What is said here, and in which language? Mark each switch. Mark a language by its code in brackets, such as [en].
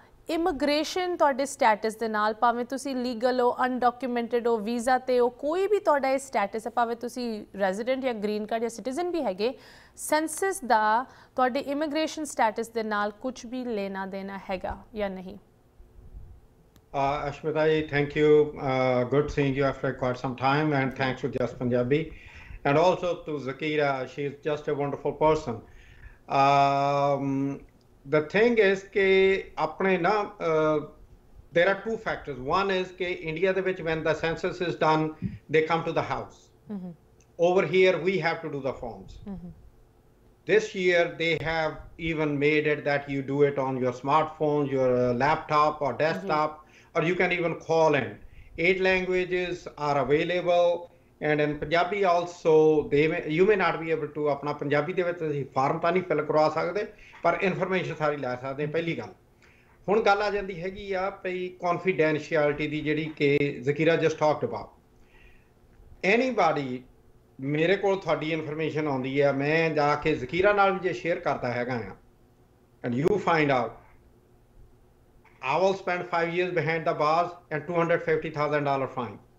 [pa] Immigration ਤੁਹਾਡੇ stats ਦੇ ਨਾਲ ਭਾਵੇਂ ਤੁਸੀਂ ਲੀਗਲ ਹੋ ਅਨਡਾਕੂਮੈਂਟਡ ਹੋ ਵੀਜ਼ਾ 'ਤੇ ਹੋ ਕੋਈ ਵੀ ਤੁਹਾਡਾ ਇਹ ਸਟੈਟਸ ਹੈ ਭਾਵੇਂ ਤੁਸੀਂ ਰੈਜ਼ੀਡੈਂਟ ਜਾਂ ਗ੍ਰੀਨ ਕਾਰਡ ਜਾਂ ਸਿਟੀਜ਼ਨ ਵੀ ਹੈਗੇ ਸੈਂਸਸ ਦਾ ਤੁਹਾਡੇ ਇਮੀਗ੍ਰੇਸ਼ਨ ਸਟੈਟਸ ਦੇ ਨਾਲ ਕੁਛ ਵੀ ਲੈਣਾ ਦੇਣਾ ਹੈਗਾ ਜਾਂ ਨਹੀਂ [en] Ashmita ji thank you good seeing you after quite some time and thanks to just Punjabi and also to Zakira she is just a wonderful person The thing is [pa] ke apne na [en] there are two factors one is [pa] ke india de vich [en] when the census is done they come to the house mm-hmm. over here we have to do the forms mm-hmm. this year they have even made it that you do it on your smartphone your laptop or desktop mm-hmm. or you can even call in eight languages are available and in punjabi also they may, you may not be able to [pa] apna punjabi de vich form ta nahi fill karwa sakde ਪਰ information ਸਾਰੀ ਲੈ ਸਕਦੇ ਪਹਿਲੀ ਗੱਲ ਹੁਣ ਗੱਲ ਆ ਜਾਂਦੀ ਹੈਗੀ ਆ ਭਈ ਕੌਨਫੀਡੈਂਸ਼ੀਅਲਟੀ ਦੀ ਜਿਹੜੀ ਕਿ ਜ਼ਕੀਰਾ [en] just talked about anybody [pa] ਮੇਰੇ ਕੋਲ ਤੁਹਾਡੀ ਇਨਫੋਰਮੇਸ਼ਨ ਆਉਂਦੀ ਆ ਮੈਂ ਜਾ ਕੇ ਜ਼ਕੀਰਾ ਨਾਲ ਵੀ ਜੇ ਸ਼ੇਅਰ ਕਰਦਾ ਹੈਗਾ ਆ [en] and you find out I will spend 5 years behind the bars and $250,000 fine